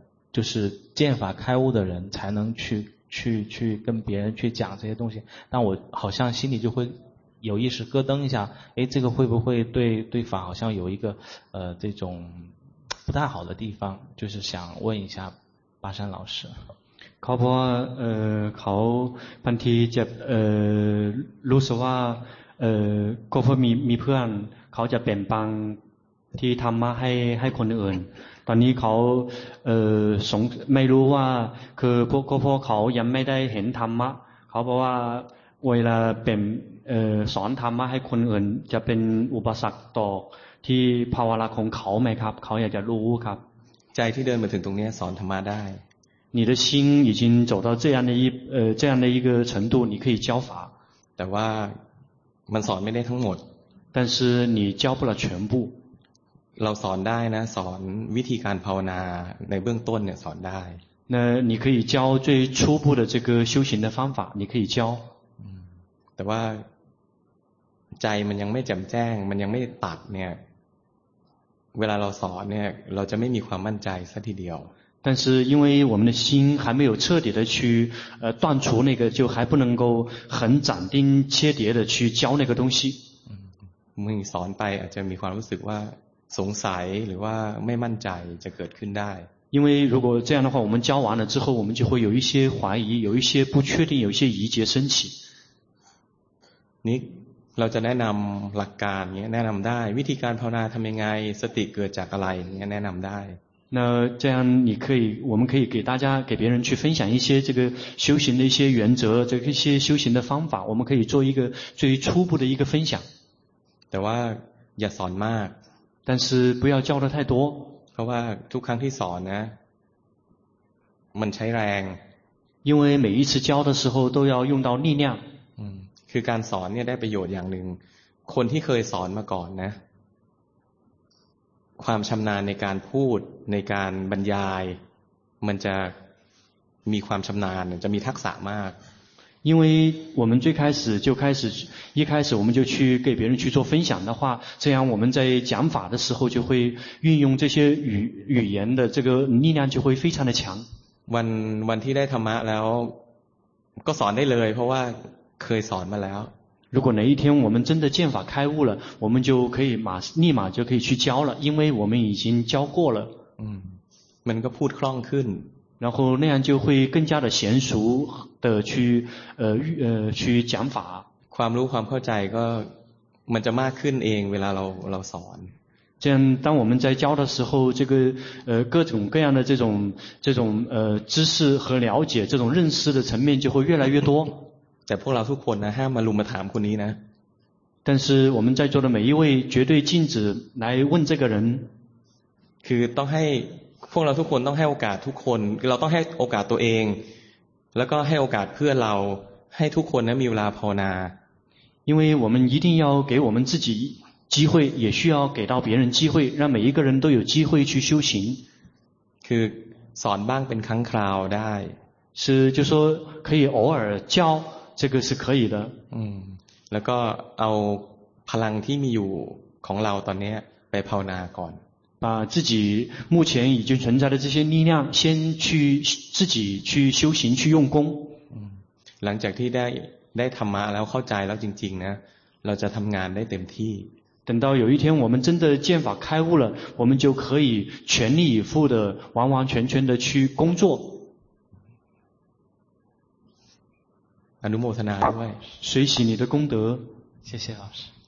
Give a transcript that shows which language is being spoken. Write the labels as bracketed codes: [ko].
[zh] 就是见法开悟的人才能去跟别人去讲这些东西但我好像心里就会有意识咯噔一下诶这个会不会对法好像有一个这种不太好的地方就是想问一下巴山老师 [th] เขาบอกว่าเขาบางทีจะรู้สึกว่าก็เพราะมีเพื่อนเขาจะเปลี่ยนปังที่ทำมาให้คนอื่นตอนนี้เขาสงไม่รู้ว่าคือพวกเขายังไม่ได้เห็นธรรมะเขาบอกว่าเวลาเปลี่ยนสอนธรรมะให้คนอื่นจะเป็นอุปสรรคต่อที่ภาวนาของเขาไหมครับเขาอยากจะรู้ครับ ใจที่เดินมาถึงตรงนี้สอนธรรมะได้ [zh] 你的心已经走到这样的一个程度你可以教法 [th] แต่ว่ามันสอนไม่ได้ทั้งหมด [zh] 但是你教不了全部 [th] เราสอนได้นะสอนวิธีการภาวนาในเบื้องต้นเนี่ยสอนได้ [zh] 那你可以教最初步的这个修行的方法你可以教 [th] แต่ว่าใจมันยังไม่แจ่มแจ้งมันยังไม่ตัดเนี่ยเวลาเราสอนเนี่ยเราจะไม่มีความมั่นใจซะทีเดียว [zh] 但是因为我们的心还没有彻底的去断除那个就还不能够很斩钉切铁的去教那个东西 [th] มึงสอนไปอาจจะมีความรู้สึกว่าสงสัยหรือว่าไม่มั่นใจจะเกิดขึ้นได้ [zh] 因为如果这样的话我们教完了之后我们就会有一些怀疑有一些不确定有一些疑结升起 [th] นี่เราจะแนะนำหลักการเนี้ยแนะนำได้วิธีการภาวนาทำยังไงสติเกิดจากอะไรเนี้ยแนะนำได้ [zh] 那这样你可以我们可以给大家给别人去分享一些这个修行的一些原则这个一些修行的方法我们可以做一个最初步的一个分享 [th] แต่ว่าอย่าสอนมาก [zh] 但是不要教的太多 [th] เพราะว่าทุกครั้งที่สอนนะมันใช้แรง [zh] 因为每一次教的时候都要用到力量 [th] คือการสอนเนี่ยได้ประโยชน์อย่างหนึ่งคนที่เคยสอนมาก่อนนะความชำนาญในการพูดในการบรรยายมันจะมีความชำนาญจะมีทักษะมาก [zh] 因为我们最开始就开始一开始我们就去给别人去做分享的话这样我们在讲法的时候就会运用这些语言的这个力量就会非常的强 [th] วันที่ได้ธรรมะแล้วก็สอนได้เลยเพราะว่าเคยสอนมาแล้ว [zh] 如果哪一天我们真的见法开悟了我们就可以立马就可以去教了因为我们已经教过了 [th] มันก็พูดคล่องขึ้น [zh] 然后那样就会更加的娴熟的去去讲法。 [th] ความรู้ความเข้าใจก็มันจะมากขึ้นเองเวลาเราสอน。 [zh] 这样当我们在教的时候，这个各种各样的这种知识和了解，这种认识的层面就会越来越多。 [th] แต่พวกเราทุกคนนะห้ามมาลุมมาถามคนนี้นะ。 [zh] 但是我们在座的每一位绝对禁止来问这个人。 [th] คือต้องให้พวกเราทุกคนต้องให้โอกาสทุกคนเราต้องให้โอกาสตัวเองแล้วก็ให้โอกาสเพื่อเราให้ทุกคนนั้นมีเวลาภาวนา [zh] 因为我们一定要给我们自己机会也需要给到别人机会让每一个人都有机会去修行 [th] คือสอนบ้างเป็นครั้งคราวได้ [zh] 是就说可以偶尔教这个是可以的 [th] แล้วก็เอาพลังที่มีอยู่ของเราตอนนี้ไปภาวนาก่อน [zh] 把自己目前已经存在的这些力量先去自己去修行去用功 [th] หลังจากที่ได้ธรรมะแล้วเข้าใจแล้วจริงๆนะเราจะทำงานได้เต็มที่ [zh] 等到有一天我们真的见法开悟了我们就可以全力以赴的完完全全的去工作 [th] อนุโมทนาด้วย [zh] 随喜你的功德谢谢老师